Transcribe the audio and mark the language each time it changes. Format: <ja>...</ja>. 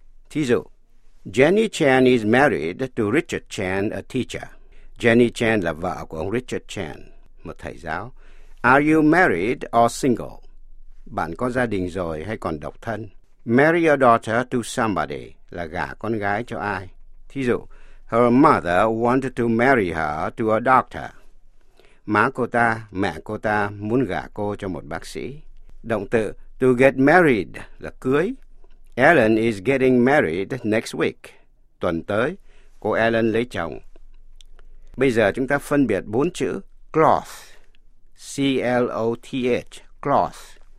<vi>Thí dụ,</vi> <en>Jenny Chan is married to Richard Chan, a teacher.</en> <vi>Jenny Chan là vợ của ông Richard Chan, một thầy giáo.</vi> <en>Are you married or single?</en> <vi>Bạn có gia đình rồi hay còn độc thân?</vi> <en>Marry a daughter to somebody</en> <vi>là gả con gái cho ai? Thí dụ,</vi> <en>her mother wanted to marry her to a doctor.</en> <vi>Má cô ta, mẹ cô ta muốn gả cô cho một bác sĩ. Động từ to get married là cưới.</vi> <en>Ellen is getting married next week.</en> <vi>Tuần tới, cô Ellen lấy chồng. Bây giờ chúng ta phân biệt bốn chữ cloth, C-L-O-T-H, cloth.</vi>